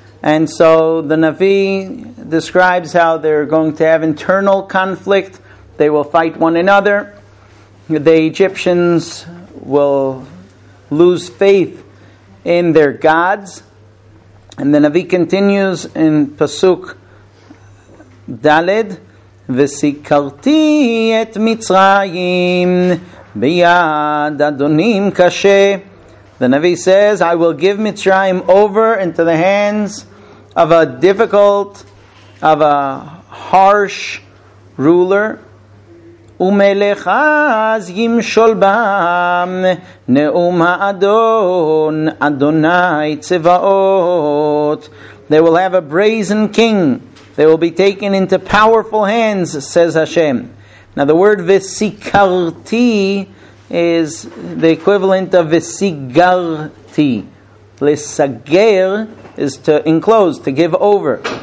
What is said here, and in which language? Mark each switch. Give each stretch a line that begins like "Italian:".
English: And so the Navi describes how they're going to have internal conflict. They will fight one another. The Egyptians will lose faith in their gods. And the Navi continues in Pasuk Daled.
Hebrew: וסיכרתי את מצרים ביד אדונים קשה.
English: The Navi says, I will give Mitzrayim over into the hands of a difficult, of a harsh ruler.
Hebrew: ומלך אז ימשול בם נאום האדון אדוני צבאות.
English: They will have a brazen king. They will be taken into powerful hands, says Hashem. Now the word visikarti is the equivalent of visigarti. Lesager is to enclose, to give over.